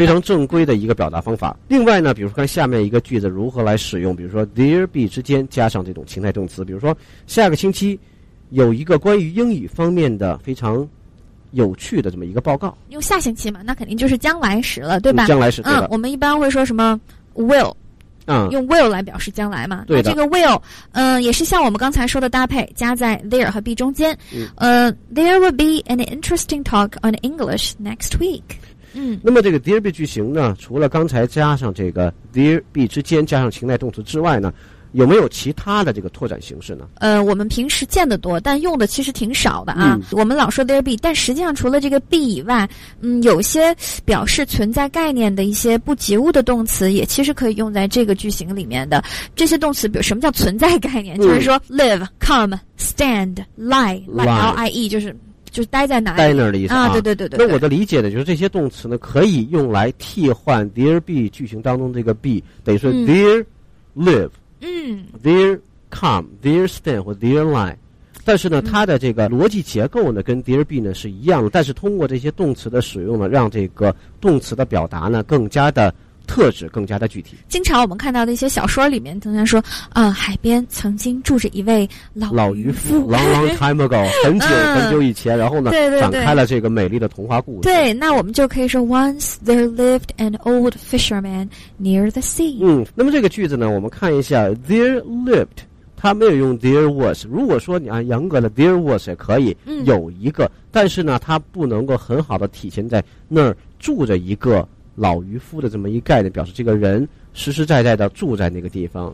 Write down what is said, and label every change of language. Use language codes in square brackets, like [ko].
[zh] 非常正规的一个表达方法。另外呢比如说看下面一个句子如何来使用，比如说 there be 之间加上这种情态动词，比如说下个星期有一个关于英语方面的非常有趣的这么一个报告，用下星期嘛，那肯定就是将来时了，对吧？将来时，嗯，我们一般会说什么 will，嗯，用 will 来表示将来嘛，对，那这个 will， 也是像我们刚才说的搭配，加在 there 和 be 中间。 [en] There will be an interesting talk on English next week。 [zh] 嗯，那么这个 there be 句型呢，除了刚才加上这个 there be 之间加上情态动词之外呢，有没有其他的这个拓展形式呢？我们平时见得多，但用的其实挺少的啊，嗯，我们老说 there be， 但实际上除了这个 be 以外，嗯，有些表示存在概念的一些不及物的动词也其实可以用在这个句型里面的。这些动词比如什么叫存在概念，嗯，就是说 live come stand lie L-I-E 就是待在哪里，待那儿的意思啊，对对对 对。那我的理解呢，就是这些动词呢可以用来替换 there be 句型当中这个 be， 等于说 there live，嗯， there come, there stand 或 there lie，但是呢，它的这个逻辑结构呢，跟 there be 呢是一样的，但是通过这些动词的使用呢，让这个动词的表达呢更加的特质，更加的具体。经常我们看到的一些小说里面，通常说，海边曾经住着一位老渔夫， long long time ago，很久，很久以前，然后呢，对对对，展开了这个美丽的童话故事。对，那我们就可以说 ， once there lived an old fisherman near the sea。嗯，那么这个句子呢，我们看一下 ， there lived，它没有用 there was。如果说你按严格的 there was 也可以，嗯，有一个，但是呢，它不能够很好的体现在那儿住着一个老渔夫的这么一概念，表示这个人实实在在的住在那个地方。